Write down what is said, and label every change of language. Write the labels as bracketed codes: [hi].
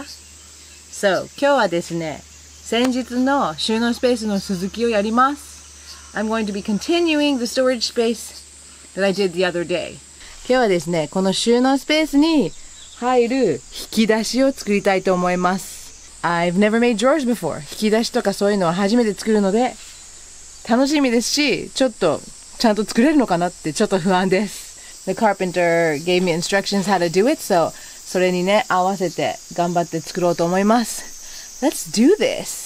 [ja] So, 今日はですね、先日の収納スペースの続きをやります。 [en] I'm going to be continuing the storage space that I did the other day. [ja] 今日はですね、この収納スペースに入る引き出しを作りたいと思います。 [en] I've never made drawers before. [ja] 引き出しとかそういうのは初めて作るので、楽しみですし、ちょっとちゃんと作れるのかなってちょっと不安です。 [en] The carpenter gave me instructions how to do it, so [ja] それにね、合わせて頑張って作ろうと思います。 [en] Let's do this!